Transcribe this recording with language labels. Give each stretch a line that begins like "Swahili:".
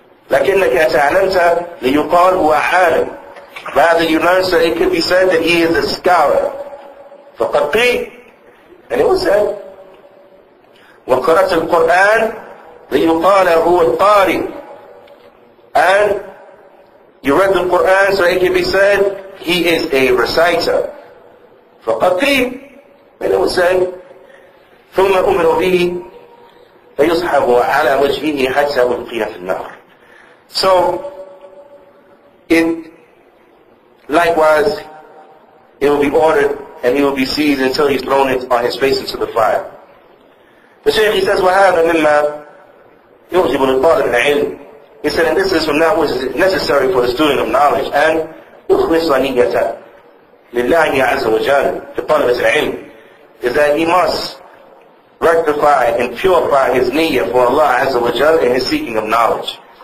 Arabic: لكنك أتعلمت ليقال هو عالم.
English: Rather you learned so it could be said that he is a scholar.
Arabic: فقد قيل.
English: And it was said.
Arabic: وقرأت القرآن ليقال هو القارئ.
English: And you read the Quran so it can be said he is a reciter.
Arabic: فقد قيل.
English: And it was said.
Arabic: ثم أمر به فيصحب على وجهه حتى ألقي في النار.
English: So it likewise it will be ordered and he will be seized until he's thrown it on his face into the fire. The Shaykh says,
Arabic: وهذا مما يوجب للطالب العلم.
English: He said, and this is from that which is necessary for the student of knowledge. And
Arabic: يخلص نيته لله عز وجل لطالب العلم
English: is that he must rectify and purify his niyyah for Allah Azza wa Jal in his seeking of knowledge.